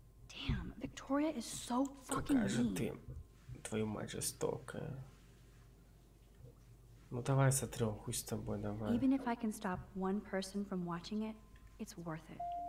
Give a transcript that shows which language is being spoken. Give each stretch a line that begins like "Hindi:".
English: Damn, Victoria is so fucking mean.
Russian: Какая же ты, твою мать, жестокая. Ну давай сотрем, хуй с тобой, давай.
English: Even if I can stop one person from watching it, it's worth it.